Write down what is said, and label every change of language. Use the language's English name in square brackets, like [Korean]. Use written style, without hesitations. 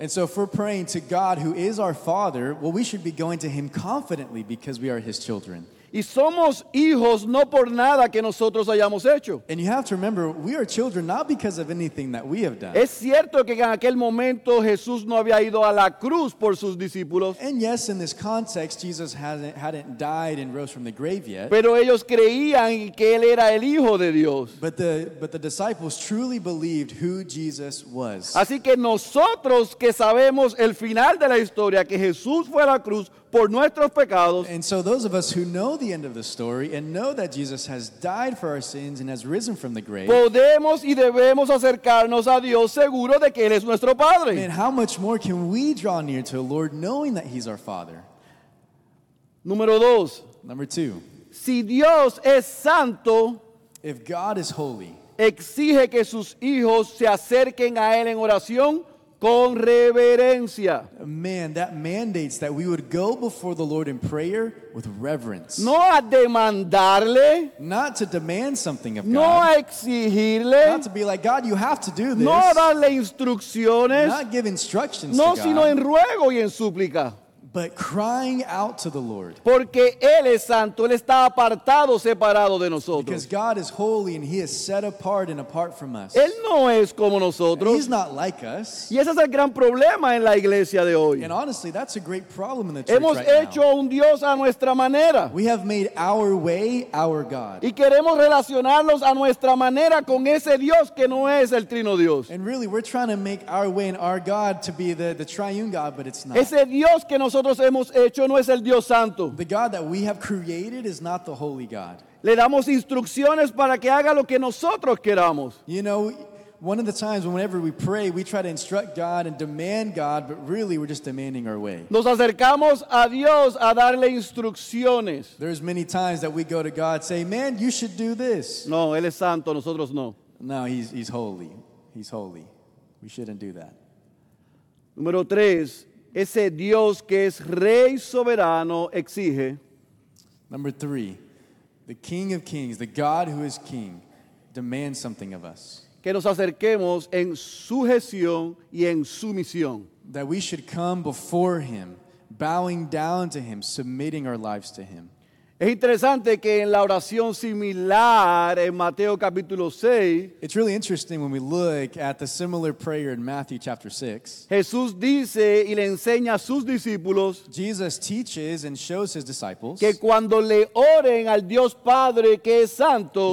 [English] And so if we're praying to God who is our Father, well, we should be going to Him confidently because we are His children. [Spanish] Y somos hijos no por nada que nosotros hayamos hecho. [English] And you have to remember, we are children not because of anything that we have done. [Spanish] Es cierto que en aquel momento Jesús no había ido a la cruz por sus discípulos. [English] And yes, in this context, Jesus hadn't died and rose from the grave yet. [Spanish] Pero ellos creían que Él era el Hijo de Dios. [English] But the disciples truly believed who Jesus was. [Spanish] Así que nosotros que sabemos el final de la historia, que Jesús fue a la cruz por nuestros pecados. [English] And so those of us who know the end of the story and know that Jesus has died for our sins and has risen from the grave, [Spanish] podemos y debemos acercarnos a Dios seguro de que Él es nuestro Padre. [English] And how much more can we draw near to the Lord knowing that He's our Father? [Spanish] Número dos. [English] Number two. [Spanish] Si Dios es santo, [English] if God is holy, [Spanish] exige que sus hijos se acerquen a Él en oración con reverencia. [English] Man, that mandates that we would go before the Lord in prayer with reverence. [Spanish] No a demandarle. [English] Not to demand something of God. [Spanish] No a exigirle. [English] Not to be like, God, you have to do this. [Spanish] No darle instrucciones. [English] Not give instructions [Spanish] no, [English] to God. [Spanish] No, sino en ruego y en súplica. [English] But crying out to the Lord. [Spanish] Porque Él es santo, Él está apartado, separado de nosotros. [English] Because God is holy and He is set apart and apart from us. [Spanish] Él no es como nosotros. [English] He's not like us. [Spanish] Y ese es el gran problema en la iglesia de hoy. [English] And honestly, that's a great problem in the church. [Spanish] Hemos hecho [English] right [Spanish] un Dios a nuestra manera. [English] We have made our way our God. [Spanish] Y queremos relacionarnos a nuestra manera con ese Dios que no es el Trino Dios. [English] And really, we're trying to make our way and our God to be the triune God, but it's not. [Spanish] Ese Dios que nosotros hemos hecho no es el Dios santo. [English] The God that we have created is not the holy God. [Spanish] Le damos instrucciones para que haga lo que nosotros queramos. [English] You know, one of the times whenever we pray, we try to instruct God and demand God, but really we're just demanding our way. [Spanish] Nos acercamos a Dios a darle instrucciones. [English] There's many times that we go to God say, man, you should do this. [Spanish] No, Él es santo, nosotros no. [English] No, he's holy. He's holy. We shouldn't do that. [Spanish] Número tres. Ese Dios que es rey soberano exige. [English] Number three, the King of Kings, the God who is King, demands something of us. [Spanish] Que nos acerquemos en sujeción y en sumisión. [English] That we should come before Him, bowing down to Him, submitting our lives to Him. [Spanish] Es interesante que en la oración similar en Mateo capítulo 6, [English] it's really interesting when we look at the similar prayer in Matthew chapter 6, [Spanish] Jesús dice y le enseña a sus discípulos, [English] Jesus teaches and shows his disciples, [Spanish] que cuando le oren al Dios Padre que es santo,